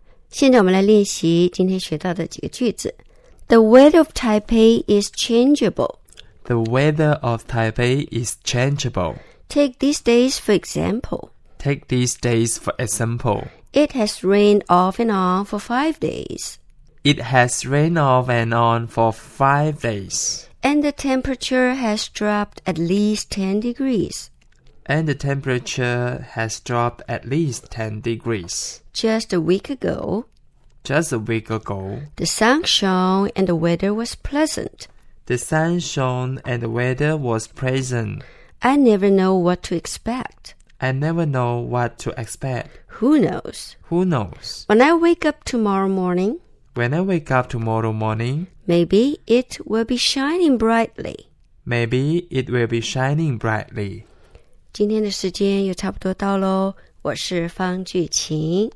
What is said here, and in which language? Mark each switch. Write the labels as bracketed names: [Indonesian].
[Chinese] 现在我们来练习今天学到的几个句子。 [English] The weather of Taipei is changeable. The weather of Taipei is changeable. Take these days for example. Take these days for example. It has rained off and on for 5 days. It has rained off and on for 5 days. And the temperature has dropped at least 10 degrees. And the temperature has dropped at least 10 degrees. Just a week ago. Just a week ago. The sun shone and the weather was pleasant. The sun shone and the weather was pleasant. I never know what to expect. I never know what to expect. Who knows? Who knows? When I wake up tomorrow morning... When I wake up tomorrow morning, maybe it will be shining brightly. Maybe it will be shining brightly. [Chinese] 今天的时间又差不多到咯，我是方巨晴，